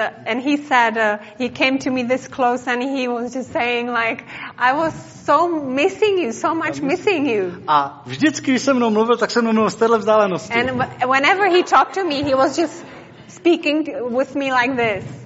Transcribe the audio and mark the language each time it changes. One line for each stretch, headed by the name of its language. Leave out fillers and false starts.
English: And he said he came to me this close and he was just saying like I was so missing you, so much missing you.
Czech: A vždycky, když se mnou mluvil, tak se mnou z téhle vzdálenosti.
English: And whenever he talked to me, he was just speaking with me like this.